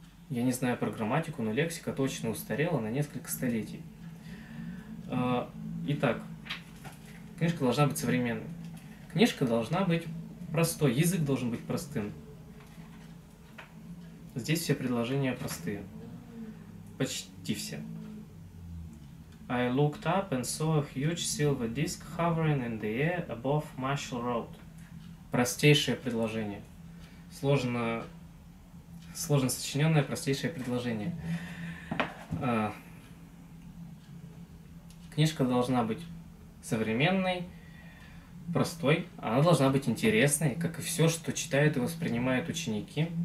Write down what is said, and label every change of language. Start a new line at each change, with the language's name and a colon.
Russian: Я не знаю про грамматику, но лексика точно устарела на несколько столетий. Итак, книжка должна быть современной. Книжка должна быть простой, язык должен быть простым. Здесь все предложения простые. Почти все.
English: I looked up and saw a huge silver disc hovering in the air above Marshall Road.
Russian: Простейшее предложение. Сложно сочиненное простейшее предложение. Книжка должна быть современной, простой. Она должна быть интересной, как и все, что читают и воспринимают ученики.